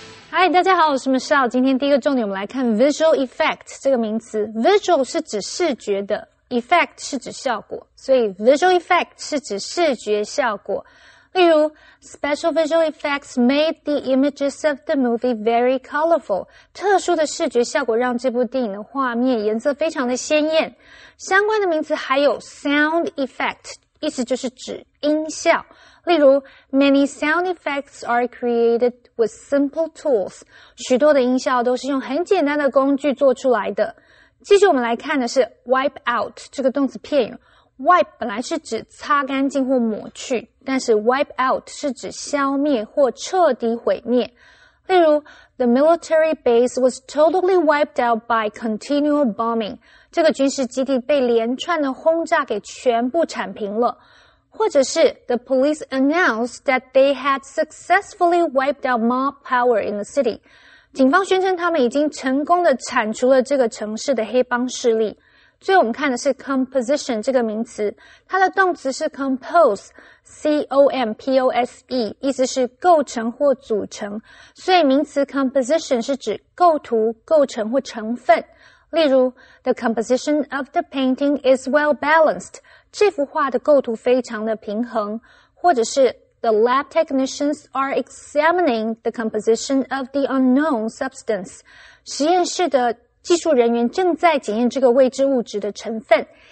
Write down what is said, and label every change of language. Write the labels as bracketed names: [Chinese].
[Chinese] Hi, 大家好，我是 Michelle。今天第一个重点我们来看 visual effect 这个名词。 Visual 是指视觉的， effect 是指效果。所以 visual effect 是指视觉效果。例如 [English] ,special visual effects made the images of the movie very colorful. [Chinese] 特殊的视觉效果让这部电影的画面颜色非常的鲜艳。相关的名词还有 sound effect, 意思就是指音效。例如 [English] ,many sound effects are created with simple tools. [Chinese] 许多的音效都是用很简单的工具做出来的。继续我们来看的是 wipe out, 这个动词片语。Wipe 本来是指擦干净或抹去，但是 wipe out 是指消灭或彻底毁灭。例如 [English] ,the military base was totally wiped out by continual bombing. [Chinese] 这个军事基地被连串的轰炸给全部铲平了。或者是 [English] ,the police announced that they had successfully wiped out mob power in the city. [Chinese] 警方宣称他们已经成功地铲除了这个城市的黑帮势力。最后我们看的是 composition 这个名词，它的动词是 compose, C-O-M-P-O-S-E, 意思是构成或组成，所以名词 composition 是指构图、构成或成分。例如 [English] ,the composition of the painting is well balanced, [Chinese] 这幅画的构图非常的平衡，或者是 [English] ,the lab technicians are examining the composition of the unknown substance, [Chinese] 实验室的技术人员正在检验这个未知物质的成分。